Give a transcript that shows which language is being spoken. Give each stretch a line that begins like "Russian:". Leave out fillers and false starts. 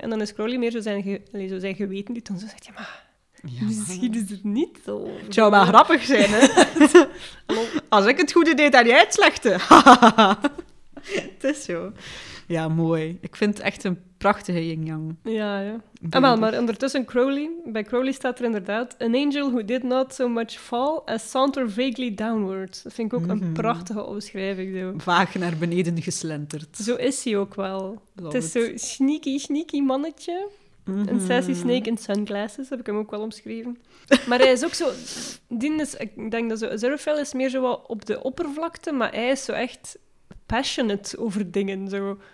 Dutch: En dan is Crowley meer zo zijn geweten, die toon zo zegt, misschien is het niet zo. Het zou wel grappig zijn, hè. Als ik het goede deed en jij het slechte. Het is zo. Ja, mooi. Ik vind het echt een prachtige yin-yang. Ja. Maar ondertussen Crowley. Bij Crowley staat er inderdaad...
English: An angel who did not so much fall as saunter vaguely downward.
Dutch: Dat vind ik ook een prachtige omschrijving. Vaag naar beneden geslenterd. Zo is hij ook wel. Love het is zo'n sneaky mannetje. Mm-hmm. Een
English: sassy snake in sunglasses,
Dutch: heb ik hem ook wel omschreven. Maar hij is ook zo... ik denk dat Aziraphale is meer zo wat op de oppervlakte, maar hij is zo echt passionate over dingen. Zo